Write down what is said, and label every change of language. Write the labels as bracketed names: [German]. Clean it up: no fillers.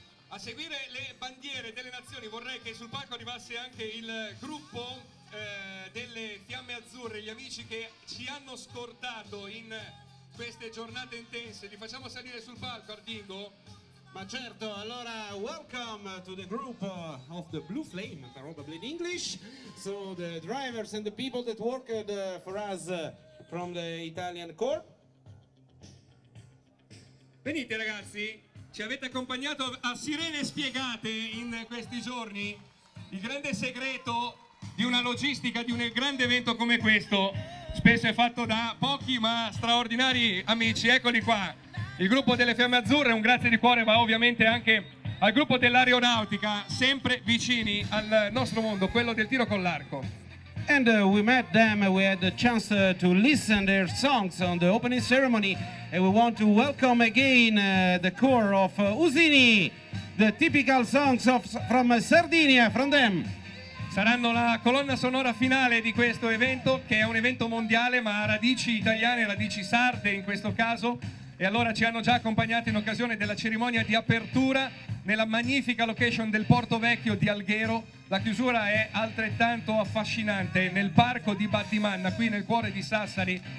[Italian] A seguire le bandiere delle nazioni vorrei che sul palco arrivasse anche il gruppo delle Fiamme Azzurre, gli amici che ci hanno scortato in queste giornate intense. Li facciamo salire sul palco, Ardingo? Ma certo, allora [English] welcome to the group of the Blue Flame, probably in English. So the drivers and the people that worked for us from the Italian Corps. [Italian] Venite ragazzi! Ci avete accompagnato a sirene spiegate in questi giorni, il grande segreto di una logistica di un grande evento come questo, spesso è fatto da pochi ma straordinari amici. Eccoli qua, il gruppo delle Fiamme Azzurre, un grazie di cuore va ovviamente anche al gruppo dell'aeronautica, sempre vicini al nostro mondo, quello del tiro con l'arco. [English] And we met them, we had the chance to listen their songs on the opening ceremony, and we want to welcome again the core of Usini, the typical songs of from Sardinia, from them. [Italian] Saranno la colonna sonora finale di questo evento, che è un evento mondiale ma ha radici italiane, radici sarde in questo caso, e allora ci hanno già accompagnato in occasione della cerimonia di apertura nella magnifica location del Porto Vecchio di Alghero. La chiusura è altrettanto affascinante nel parco di Battimanna, qui nel cuore di Sassari.